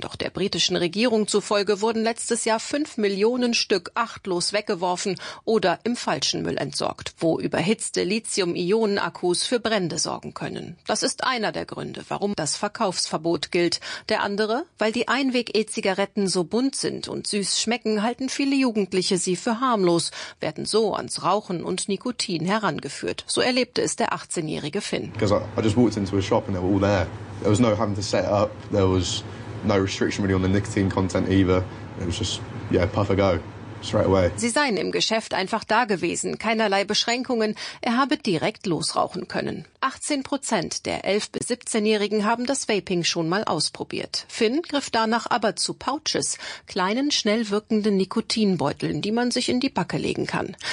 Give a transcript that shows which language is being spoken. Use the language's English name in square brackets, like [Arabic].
[German] Doch der britischen Regierung zufolge wurden letztes Jahr 5 Millionen Stück achtlos weggeworfen oder im falschen Müll entsorgt, wo überhitzte Lithium-Ionen-Akkus für Brände sorgen können. Das ist einer der Gründe, warum das Verkaufsverbot gilt. Der andere, weil die Einweg-E-Zigaretten so bunt sind und süß schmecken, halten viele Jugendliche sie für harmlos, werden so ans Rauchen und Nikotin herangeführt. So erlebte es der 18-jährige Finn. [English] I just walked into a shop and they were all there. There was no having to set up. There was no restriction really on the nicotine content either. It was just, yeah, puff a go. [German] Sie seien im Geschäft einfach da gewesen, keinerlei Beschränkungen, er habe direkt losrauchen können. 18% der 11- bis 17-Jährigen haben das Vaping schon mal ausprobiert. Finn griff danach aber zu Pouches, kleinen, schnell wirkenden Nikotinbeuteln, die man sich in die Backe legen kann.